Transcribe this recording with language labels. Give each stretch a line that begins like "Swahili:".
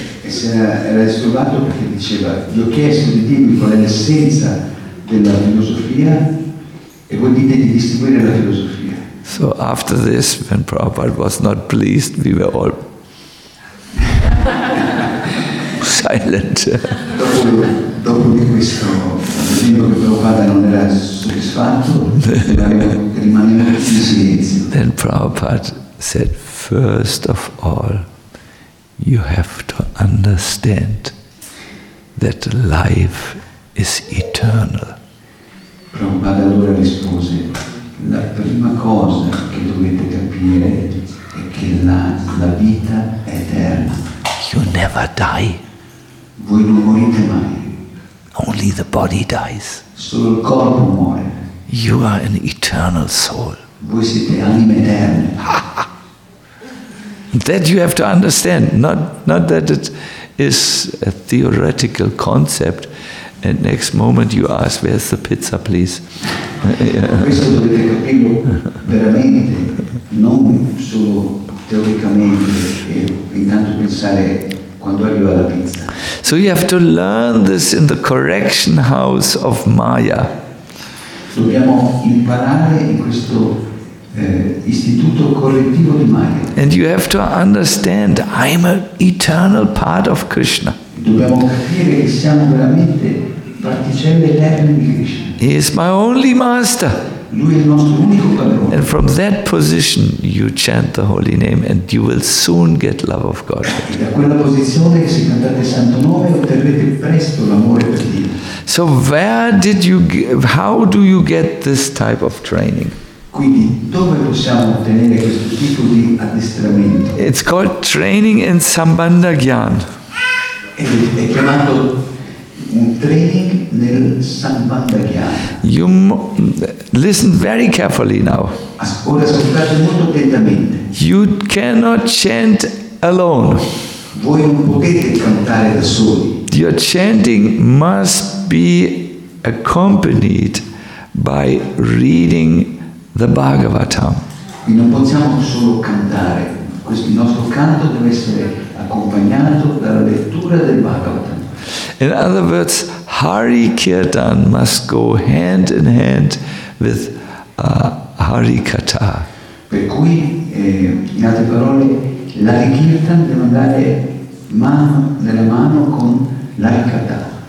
Italian: Era disturbato perché diceva gli ho chiesto di dirmi qual è l'essenza della filosofia e voi dite di distribuire la filosofia.
English: So after this, when Prabhupada was not pleased, we were all silent.
Italian: Dopo di questo, vedendo che Prabhupada non era soddisfatto, rimaneva in silenzio.
English: Then Prabhupada said, first of all, you have to understand that life is eternal.
Italian: Prabhupada allora rispose, la prima cosa che dovete capire è che la vita è eterna.
English: You never die.
Italian: Voi non morite mai.
English: Only the body dies.
Italian: Solo il corpo muore.
English: You are an eternal soul.
Italian: Voi siete anime eterne.
English: That you have to understand, not that it is a theoretical concept, and next moment you ask, where's the pizza, please?
Italian: Questo dovete capirlo veramente, non solo teoricamente, intanto pensare quando arriva la pizza.
English: So you have to learn this in the correction house of Maya.
Italian: Dobbiamo imparare in questo istituto correttivo di Maya.
English: And you have to understand, I am an eternal part of Krishna.
Italian: Dobbiamo capire che siamo veramente particelle eterne di Krishna.
English: He is my only master.
Italian: Lui è il nostro unico padrone.
English: And from that position you chant the holy name and you will soon get love of God.
Italian: Da quella posizione se cantate il santo nome otterrete presto l'amore per Dio.
English: So where did you get, how do you get this type of training?
Italian: Quindi dove possiamo ottenere questo tipo di addestramento?
English: It's called training in Sambandha Gyan.
Italian: È chiamato un training nel Sambandha Gyan.
English: You listen very carefully now.
Italian: Ora ascoltate molto attentamente.
English: You cannot chant alone.
Italian: Voi non potete cantare da soli.
English: Your chanting must be accompanied by reading the Bhagavatam.
Italian: Non possiamo solo cantare. Questo nostro canto deve essere accompagnato dalla lettura del Bhagavatam.
English: In other words, Hari Kirtan must go hand in hand with Hari Katha.
Italian: Per cui, in altre parole, l'Hari Kirtan deve andare mano nella mano con l'Hari Katha.